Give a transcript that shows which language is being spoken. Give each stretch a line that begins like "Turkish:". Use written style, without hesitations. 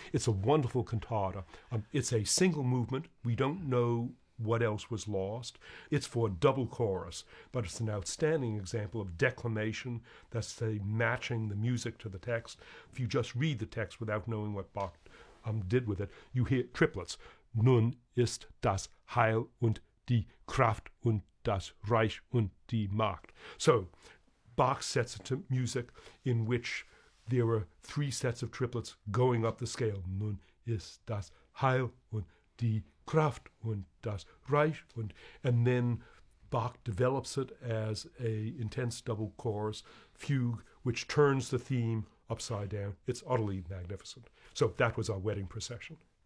English: It's a wonderful cantata. It's a single movement. We don't know what else was lost. It's for a double chorus, but it's an outstanding example of declamation, that's say matching the music to the text. If you just read the text without knowing what Bach did with it, you hear triplets.
German: Nun ist das Heil und die Kraft und das Reich und die Macht.
English: So Bach sets it to music in which there are three sets of triplets going up the scale.
German: Nun ist das Heil und die Kraft und das Reich.
English: And then Bach develops it as a intense double chorus fugue, which turns the theme upside down. It's utterly magnificent. So that was our wedding procession.